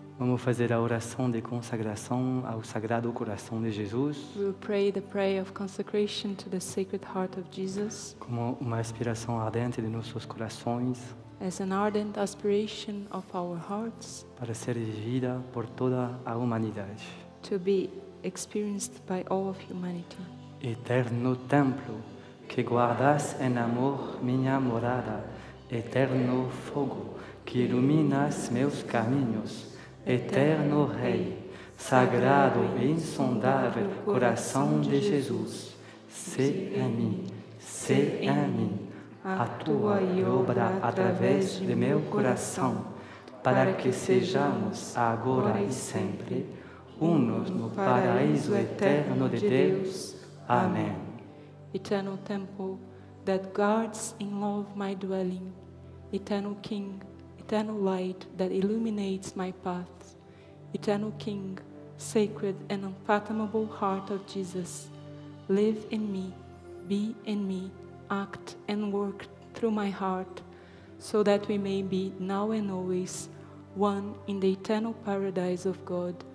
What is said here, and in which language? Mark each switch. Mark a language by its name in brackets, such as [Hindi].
[Portuguese] Vamos fazer a oração de consagração ao Sagrado Coração de Jesus. [English] We will pray the prayer of consecration to the Sacred Heart of Jesus. [Portuguese] Como uma aspiração ardente de nossos corações. [English] As an ardent aspiration of our hearts. [Portuguese] Para ser vivida por toda a humanidade. [English] To be experienced by all of humanity. [Portuguese] Eterno templo que guardas em amor minha morada, eterno fogo que iluminas meus caminhos, eterno Rei, sagrado e insondável coração de Jesus, se em mim, se em mim, atua e obra através de meu coração, para que sejamos agora e sempre unos no paraíso eterno de Deus. Amém. [English] Eternal temple that guards in love my dwelling, eternal King, eternal light that illuminates my path, eternal King, sacred and unfathomable heart of Jesus, live in me, be in me, act and work through my heart, so that we may be now and always one in the eternal paradise of God.